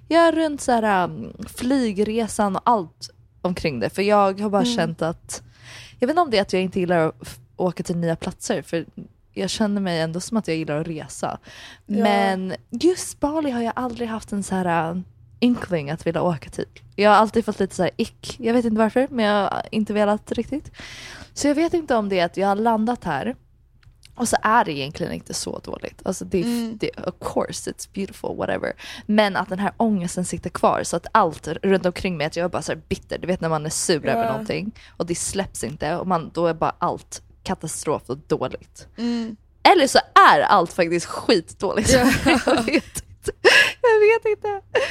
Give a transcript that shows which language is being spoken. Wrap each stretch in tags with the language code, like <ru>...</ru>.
<sv>Ja, runt så här, flygresan och allt omkring det. För jag har bara känt att jag vet inte om det är att jag inte gillar att åka till nya platser, för jag känner mig ändå som att jag gillar att resa. Ja. Men just Bali har jag aldrig haft en så här inkling att vilja åka till. Jag har alltid fått lite så här ick. Jag vet inte varför, men jag har inte velat riktigt. Så jag vet inte om det är att jag har landat här och så är det egentligen inte så dåligt. Alltså det, det,</sv> <en>of course, it's beautiful, whatever.</en> <sv>Men att den här ångesten sitter kvar så att allt runt omkring mig, att jag är bara så här bitter. Du vet när man är sur över någonting och det släpps inte och man, då är bara allt katastrof och dåligt. Eller så är allt faktiskt skitdåligt. Jag vet inte.</sv>